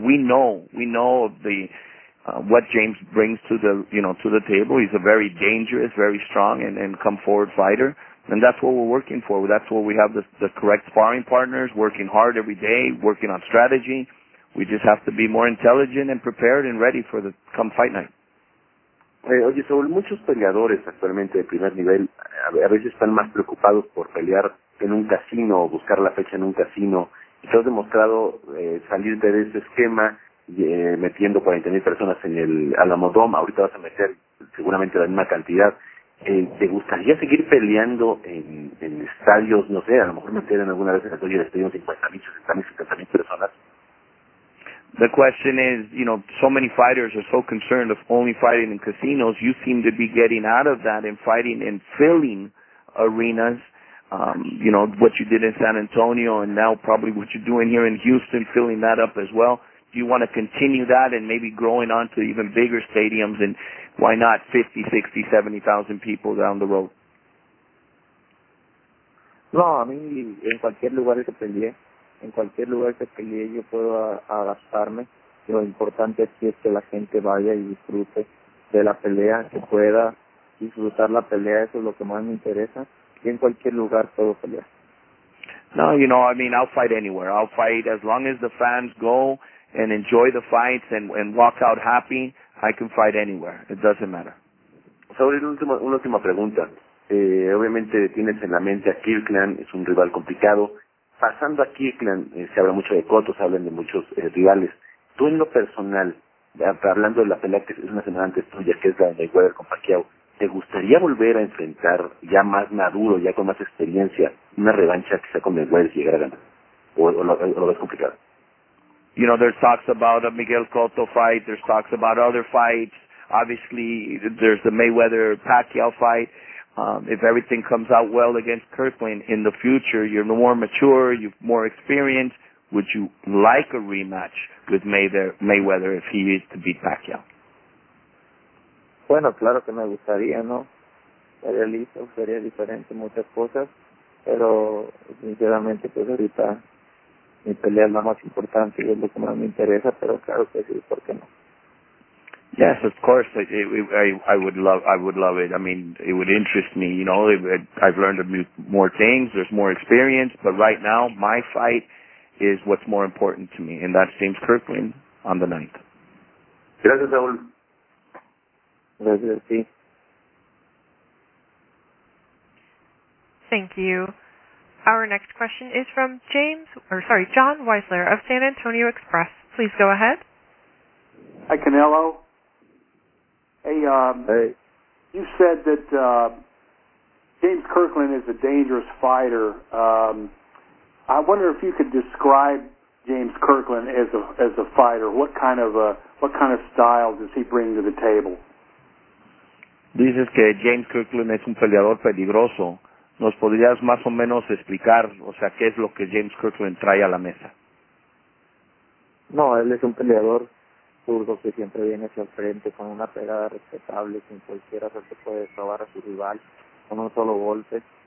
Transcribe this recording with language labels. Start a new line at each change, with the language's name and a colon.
English: We know of the what James brings to the, you know, to the table. He's a very dangerous, very strong and come forward fighter. And that's what we're working for. That's what we have the correct sparring partners, working hard every day, working on strategy. We just have to be more intelligent and prepared and ready for the come fight night.
Spanish: Oye, Saúl, muchos peleadores actualmente de primer nivel a veces están más preocupados por pelear en un casino o buscar la fecha en un casino. Y tú has demostrado salir de ese esquema metiendo 40,000 personas en el Alamo Dome. Ahorita vas a meter seguramente la misma cantidad. ¿Te gustaría seguir peleando en estadios, no sé, a lo mejor meter en alguna vez en el estadio de estadios 50,000, 60,000, 70,000 personas?
English: The question is, you know, so many fighters are so concerned of only fighting in casinos. You seem to be getting out of that and fighting in filling arenas, you know, what you did in San Antonio and now probably what you're doing here in Houston, filling that up as well. Do you want to continue that and maybe growing on to even bigger stadiums and why not 50, 60, 70,000 people down the road?
Spanish: No,
English: I mean, in
Spanish: cualquier lugar que pelee. En cualquier lugar que pelee yo puedo adaptarme. Lo importante aquí es que la gente vaya y disfrute de la pelea, que pueda disfrutar la pelea. Eso es lo que más me interesa. Y en cualquier lugar puedo pelear.
English: No, you know, I mean, I'll fight anywhere. I'll fight as long as the fans go and enjoy the fights and walk out happy. I can fight anywhere. It doesn't matter.
Spanish: Sobre una última pregunta. Obviamente tienes en la mente a Kirkland. Es un rival complicado. Pasando a Kirkland, se habla mucho de Cotto, se hablan de muchos rivales. Tú en lo personal, hablando de la pelea que es una semana antes tuya, que es la de Mayweather con Pacquiao, ¿te gustaría volver a enfrentar ya más maduro, ya con más experiencia, una revancha quizá con Mayweather si llegara a ganar? ¿O lo ves complicado?
English: You know, there's talks about a Miguel Cotto fight, there's talks about other fights. Obviously, there's the Mayweather-Pacquiao fight. If everything comes out well against Kirkland in the future, you're more mature, you've more experience. Would you like a rematch with Mayweather if he is to beat Pacquiao?
Spanish: Bueno, claro que me gustaría, ¿no? Sería listo, sería diferente muchas cosas, pero sinceramente pues ahorita mi pelea es la más importante y es lo que más me interesa, pero claro que sí, ¿por qué no?
English: Yes, of course. I would love it. I mean, it would interest me. You know, I've learned more things. There's more experience. But right now, my fight is what's more important to me, and that's James Kirkland on the 9th.
Spanish: Gracias, Saul. Gracias, sí.
English: Thank you. Our next question is from John Weisler of San Antonio Express. Please go ahead. Hi, Canelo. Hey, you said that James Kirkland is a dangerous fighter. I wonder if you could describe James Kirkland as a fighter. What kind of style does he bring to the table?
Spanish: Dices que James Kirkland es un peleador peligroso. ¿Nos podrías más o menos explicar, o sea, qué es lo que James Kirkland trae a la mesa? No, él es un peleador zurdo que siempre viene hacia el frente con una pegada respetable, sin cualquiera se puede destrabar a su rival con un solo golpe.